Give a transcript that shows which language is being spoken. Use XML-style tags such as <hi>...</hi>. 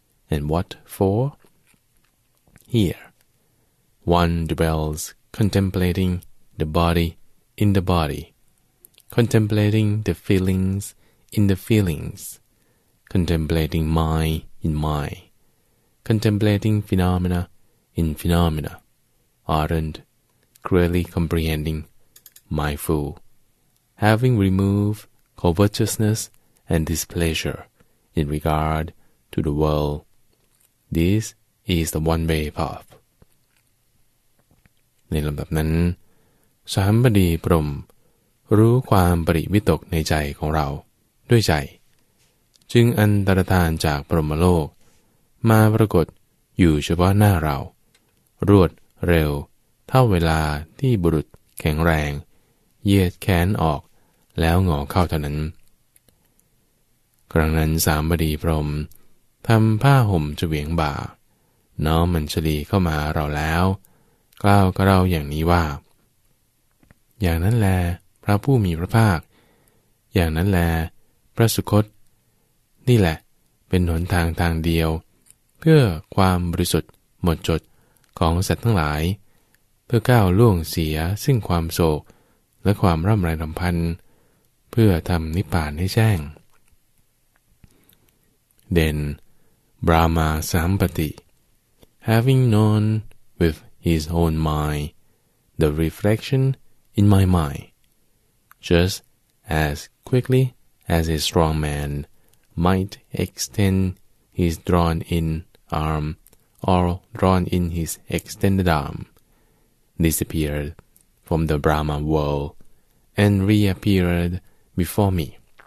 <en>And what for? Here, one dwells contemplating the body in the body, contemplating the feelings in the feelings, contemplating mind in mind, contemplating phenomena in phenomena. Ardent, clearly comprehending, mindful, having removed covetousness and displeasure in regard to the world, this is the one-way path.</en> <th>ในลำดับนั้นสามบดีพรหมรู้ความปริวิตกในใจของเราด้วยใจจึงอันตรธานจากพรหมโลกมาปรากฏอยู่เฉพาะหน้าเรารวดเร็วเท่าเวลาที่บุรุษแข็งแรงเหยียดแขนออกแล้วงอเข้าเท่านั้น ครั้งนั้นสามบดีพรหมทำผ้าห่มเฉวียงบ่าน้อมมัญชลีเข้ามาเราแล้วกล่าวกับเราอย่างนี้ว่าอย่างนั้นแลพระผู้มีพระภาคอย่างนั้นแลพระสุคตนี่แหละเป็นหนทางเดียวเพื่อความบริสุทธิ์หมดจดของสัตว์ทั้งหลายเพื่อก้าวล่วงเสียซึ่งความโศกและความร่ำไรรำพันเพื่อทำนิพพานให้แจ้ง</th> <en>Then Brahma Sampati, having known with his own mind the reflection in my mind, just as quickly as a strong man might extend his drawn-in arm or drawn-in his extended arm, disappeared from the Brahma world and reappeared before me.</en>